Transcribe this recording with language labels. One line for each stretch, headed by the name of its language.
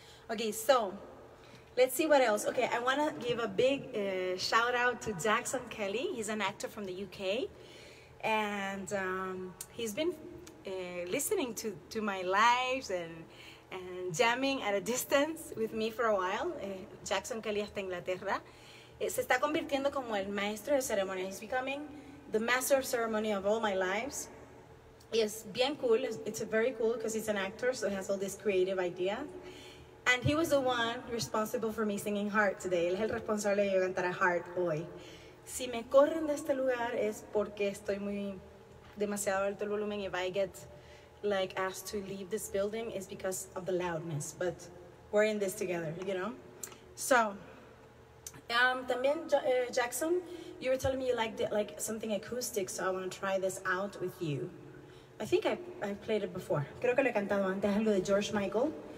English: Okay, so, let's see what else. Okay, I wanna give a big shout out to Jackson Kelly. He's an actor from the UK, and he's been listening to my lives and jamming at a distance with me for a while.
Spanish: Jackson Kelly está en Inglaterra. Se está convirtiendo como el maestro de ceremonias.
English: He's becoming the master of ceremony of all my lives.
Spanish: Y es bien cool.
English: It's very cool because he's an actor, so he has all these creative ideas. And he was the one responsible for me singing Heart today.
Spanish: Él es el responsable de yo cantar a Heart hoy. Si me corren de este lugar es porque estoy muy demasiado alto el volumen.
English: If I get like asked to leave this building, it's because of the loudness. But we're in this together, you know. So, también Jackson, you were telling me you liked it, like something acoustic. So I want to try this out with you. I think I've played it before.
Spanish: Creo que lo he cantado antes, algo de George Michael.